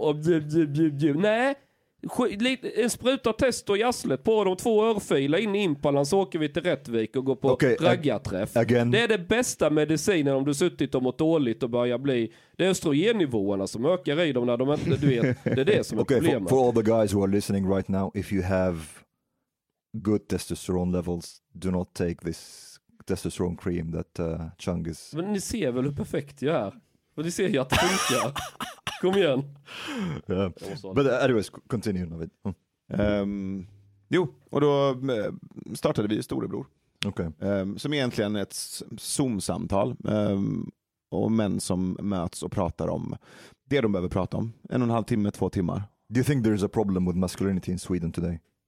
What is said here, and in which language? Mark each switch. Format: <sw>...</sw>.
<sv>Och nej! En spruta test och jasslet på de 2 örfila in i Impalan, så åker vi till Rättvik och går på raggarträff. Det är det bästa medicinen om du suttit och mått dåligt och börjar bli... Det är östrogennivåerna som ökar i dem när de inte... Du vet, det är det som är problemet.</sv> <en>For all the guys who are listening right now, if you have good testosterone levels, do not take this testosterone cream that Chung is...</en> <sv>Men ni ser väl hur perfekt jag är? Och ni ser ju att det funkar. Kom igen.</sv> <en>Yeah. But anyways, continue now.</en> <sv>Jo, och då startade vi Storebror.</sv> <en>Okay.</en> <sv>Som egentligen är ett Zoom-samtal. Och män som möts och pratar om det de behöver prata om. 1,5 timme, 2 timmar.</sv> <en>Do you think there is a problem with masculinity in Sweden today?</en>